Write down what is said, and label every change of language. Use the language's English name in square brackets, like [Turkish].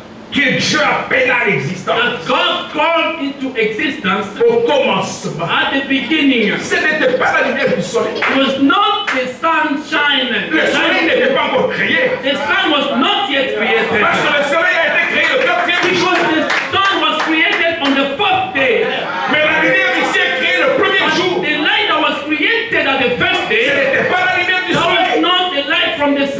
[French] que Dieu appela l'existence. [English] That God called into existence. [French] Au commencement. [English] At the beginning. [French] Ce n'était pas la lumière du soleil. [English] It was not the sunshine. [French] Le soleil n'était pas encore créé. [English] The sun was not yet created. [French] Parce que le soleil a été créé le 4e jour. [English] Because the sun was created on the 4th day. [French] Mais la lumière du ciel créée le 1er jour. [English] The light that was created at the 1st day. [French] Ce n'était pas la lumière du soleil. [English] That was not the light from the sun.